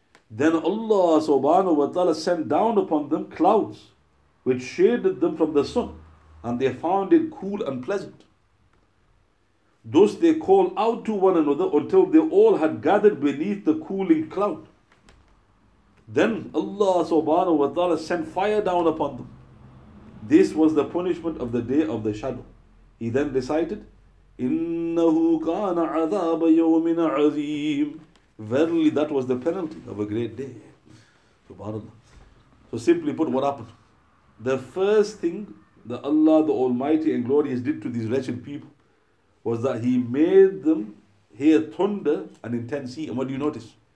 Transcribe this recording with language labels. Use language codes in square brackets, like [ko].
[en] Then Allah subhanahu wa ta'ala sent down upon them clouds, which shaded them from the sun, and they found it cool and pleasant. Thus they called out to one another until they all had gathered beneath the cooling cloud. Then Allah subhanahu wa ta'ala sent fire down upon them. This was the punishment of the day of the shadow. He then recited, [ar] إِنَّهُ كَانَ عَذَابَ يَوْمٍ عَظِيمٍ. [en] Verily, that was the penalty of a great day. Subhanallah. So simply put, what happened? The first thing that Allah the Almighty and Glorious did to these wretched people was that He made them hear thunder and intense heat. And what do you notice?